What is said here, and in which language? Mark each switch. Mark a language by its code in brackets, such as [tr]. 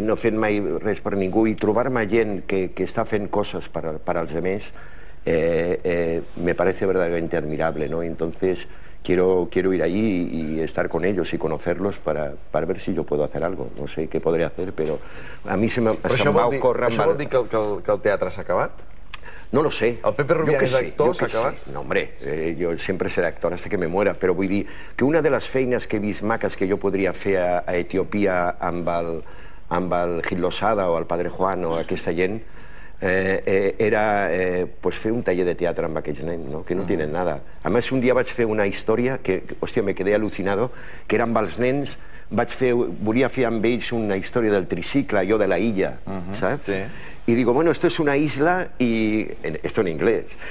[ca] No he fet mai res per ningú. I trobar-me gent que està fent coses per als altres [es] me parece verdaderamente admirable, ¿no? Entonces quiero ir allí y estar con ellos y conocerlos para ver si yo puedo hacer algo. No sé qué podré hacer, pero a mí se me va a ocorrer... [ca] ¿Això vol dir que el teatre s'ha acabat? [es] No lo sé. ¿El Pepe Rubián es actor? Yo que sé. No, hombre, yo siempre seré actor hasta que me muera, pero voy a decir que una de las feinas que bismacas que yo podría hacer a Etiopía [ca] amb el Gil Losada o al Padre Juan o aquesta gent era pues fer un taller de teatre amb aquells nens, [es] no? Que no tienen nada. [ca] A més, un dia vaig fer una història que, hòstia, [es] me quedé alucinado, [ca] que era amb els nens, volia fer amb ells una història del tricicle, jo de la illa, saps? Sí. [es] Y digo, bueno, esto es una isla y... Esto en inglés.